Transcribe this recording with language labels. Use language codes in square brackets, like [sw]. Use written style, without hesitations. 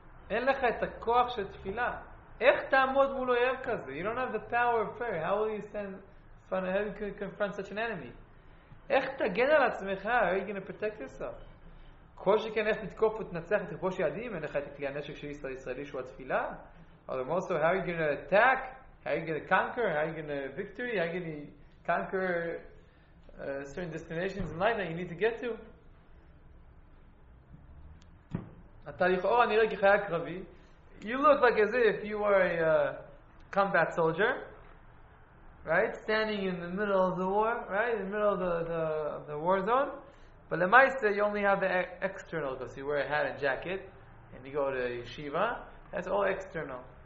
[he] אין לך את הכוח של תפילה. איך תעמוד מול אויב כזה? [en] You don't have the power of prayer. How will you stand... How do you confront such an enemy? [he] איך תגן על עצמך? [en] How are you going to protect yourself? [he] כל שכן איך לתקוף ותנצח את רבוש יעדים? אין לך את כלי הנשק של ישראלי שהוא התפילה? [en] Or more so, how are you going to attack? How are you going to conquer? How are you going to victory? How are you going to conquer certain destinations in life that you need to get to? [he] אתה לכאורה נראה כחייל קרבי. [en] You look like as if you are a combat soldier. Right, standing in the middle of the war, right, in the middle of the war zone. But the maestro, you only have the external, because you wear a hat and jacket, and you go to yeshiva. That's all external.